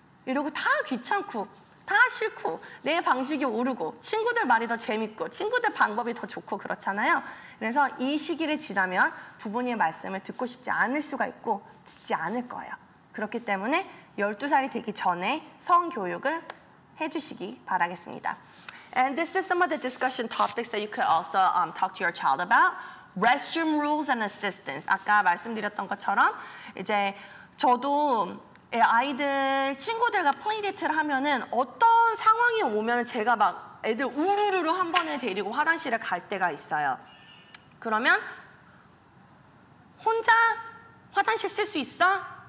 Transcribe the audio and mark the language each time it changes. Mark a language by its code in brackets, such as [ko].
[ko] 이러고 다 귀찮고 다 싫고 내 방식이 오르고 친구들 말이 더 재밌고 친구들 방법이 더 좋고 그렇잖아요. 그래서 이 시기를 지나면 부모님의 말씀을 듣고 싶지 않을 수가 있고 듣지 않을 거예요. 그렇기 때문에 12살이 되기 전에 성교육을 해주시기 바라겠습니다. [en] And this is some of the discussion topics that you could also talk to your child about. Restroom rules and assistance. [ko] 아까 말씀드렸던 것처럼 이제 저도 아이들 친구들과 플레이데이트를 하면은 어떤 상황이 오면 제가 막 애들 우르르르 한 번에 데리고 화장실에 갈 때가 있어요. 그러면 혼자 화장실 쓸 수 있어?